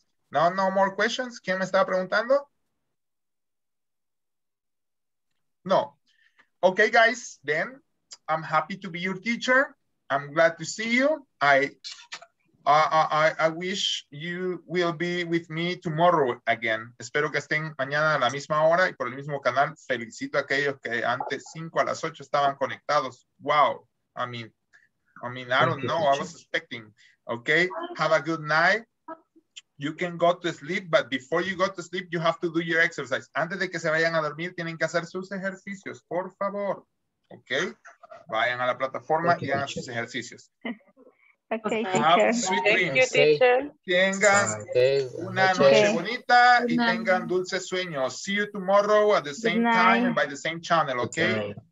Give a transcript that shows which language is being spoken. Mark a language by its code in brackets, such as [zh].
[en] No more questions. [es] ¿Quién me estaba preguntando? [en] No. Ok, guys. Then, I'm happy to be your teacher. I'm glad to see you. I I wish you will be with me tomorrow again. [es] Espero que estén mañana a la misma hora y por el mismo canal. Felicito a aquellos que antes 5 a las 8 estaban conectados. [en] Wow. I mean, I don't know. I was expecting. Okay. Have a good night. You can go to sleep, but before you go to sleep, you have to do your exercise. [es] Antes de que se vayan a dormir, tienen que hacer sus ejercicios, por favor. Okay. Vayan a la plataforma y hagan sus ejercicios. [en] Okay, teacher. Thank you, teacher. [es] Tengan una noche bonita y tengan dulces sueños. [en] See you tomorrow at the same time and by the same channel, okay?